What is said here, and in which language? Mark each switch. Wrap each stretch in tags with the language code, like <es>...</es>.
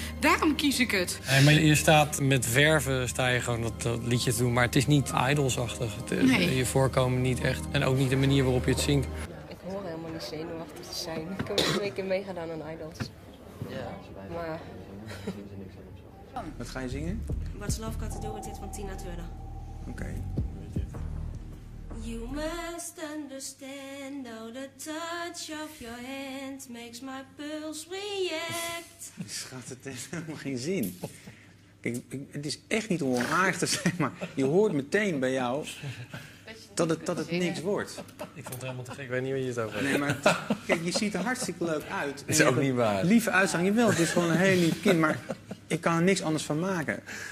<nl>Daarom kies ik het. Hey, maar je staat met verve, sta je gewoon dat liedje te doen. Maar het is niet idolsachtig. Nee. Je voorkomen niet echt. En ook niet de manier waarop je het zingt. Ik hoor helemaal niet zenuwachtig te zijn. Ik heb twee keer meegedaan aan idols. Ja, maar. Wat ga je zingen? What's Love Got to Do with It van Tina Turner. Oké.</nl> <en>You must understand, though the touch of your hand makes my pulse react.</en> <nl>Schat, het heeft helemaal geen zin. Kijk, het is echt niet onaardig, zeg maar. Je hoort meteen bij jou dat het niks wordt. Ik vond het helemaal te gek. Ik weet niet wat je het over hebt. Nee, maar kijk, je ziet er hartstikke leuk uit. Dat is ook niet waar. Lieve uitzang, jawel, het is gewoon een heel lief kind. Maar ik kan er niks anders van maken.</nl>